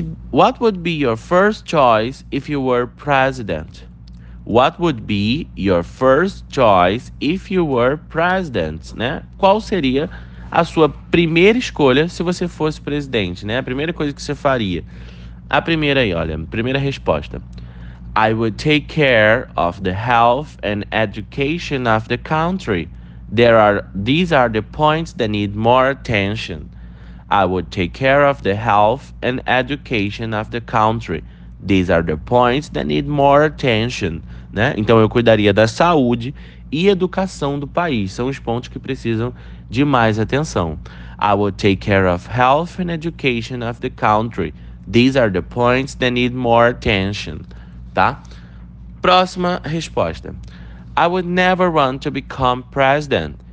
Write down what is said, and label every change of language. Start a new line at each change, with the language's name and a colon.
English: What would be your first choice if you were president? What would be your first choice if you were president?
Portuguese: Né? Qual seria a sua primeira escolha se você fosse presidente? Né? A primeira coisa que você faria? A primeira aí, olha, primeira resposta:
English: I would take care of the health and education of the country. These are the points that need more attention. I would take care of the health and education of the country. These are the points that need more attention, né?
Portuguese: Então eu cuidaria da saúde e educação do país. São os pontos que precisam de mais atenção.
English: I would take care of health and education of the country. These are the points that need more attention, tá?
Portuguese: Próxima resposta:
English: I would never want to become president.